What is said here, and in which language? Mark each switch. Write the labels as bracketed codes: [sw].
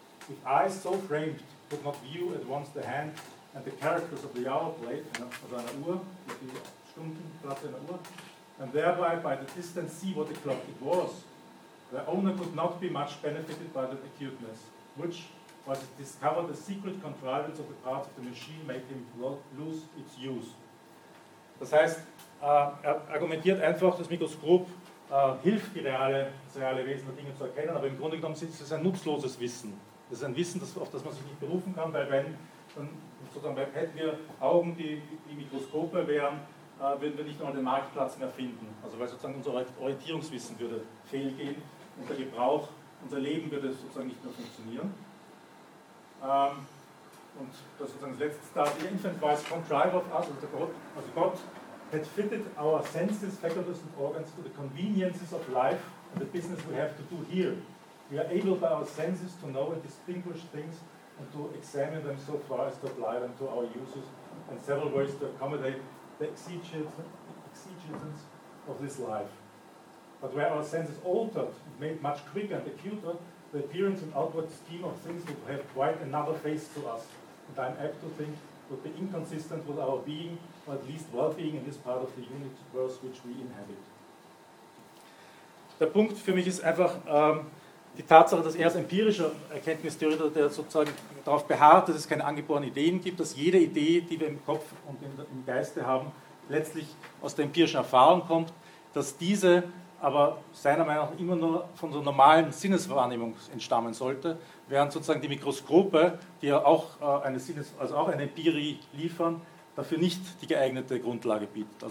[en] If eyes so framed could not view at once the hand and the characters of the hour plate, [de] also einer Uhr, die Stundenplatte einer Uhr, [en] and thereby by the distance see what o'clock it was, the owner could not be much benefited by that acuteness, which, was it discovered the secret contrivance of the parts of the machine, made him lose its use. [de] Das heißt, er argumentiert einfach, das Mikroskop hilft, das reale Wesen der Dinge zu erkennen, aber im Grunde genommen ist es ein nutzloses Wissen. Das ist ein Wissen, auf das man sich nicht berufen kann, weil wenn, dann sozusagen hätten wir Augen, die Mikroskope wären, würden wir nicht einmal den Marktplatz mehr finden. Also weil sozusagen unser Orientierungswissen würde fehlgehen, unser Gebrauch, unser Leben würde sozusagen nicht mehr funktionieren. Und das sozusagen das letzte Zitat, [en] the infinite wise contriver of us, [de] also Gott, [en] had fitted our senses, faculties and organs to the conveniences of life and the business we have to do here. We are able by our senses to know and distinguish things and to examine them so far as to apply them to our uses and several ways to accommodate the exigencies of this life. But where our senses altered, made much quicker and acuter, the appearance and outward scheme of things would have quite another face to us, and I'm apt to think would be inconsistent with our being, or at least well-being in this part of the universe which we inhabit. [de] Der Punkt für mich ist einfach, die Tatsache, dass er als empirischer Erkenntnistheoretiker, der sozusagen darauf beharrt, dass es keine angeborenen Ideen gibt, dass jede Idee, die wir im Kopf und im Geiste haben, letztlich aus der empirischen Erfahrung kommt, dass diese aber seiner Meinung nach immer nur von so normalen Sinneswahrnehmung entstammen sollte, während sozusagen die Mikroskope, die ja auch eine Empirie liefern, dafür nicht die geeignete Grundlage bietet.